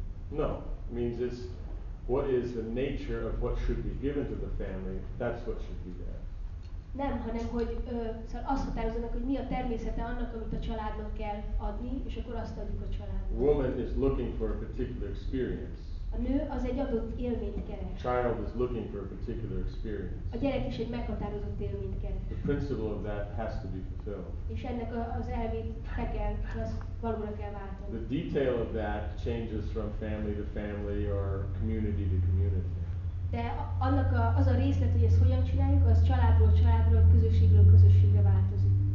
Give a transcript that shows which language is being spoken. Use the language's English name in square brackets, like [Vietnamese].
[English] No, means it's what is the nature of what should be given to the family, that's what should be there. [Hungarian] Nem, hanem hogy azt határozzanak, hogy mi a természete annak, amit a családnak kell adni, és akkor azt adjuk a családnak. [English] Woman is looking for a particular experience. [Hungarian] A nő az egy adott élményt keres. [English] Child is looking for a particular experience. [Hungarian] A gyerek is egy meghatározott élményt keres. [English] The principle of that has to be fulfilled. [Hungarian] És ennek az elvét meg kell, az valóra kell váltani. [English] The detail of that changes from family to family or community to community. [Hungarian] De annak az a részlet, hogy ezt hogyan csináljuk, az családról családra, közösségről közösségre változik.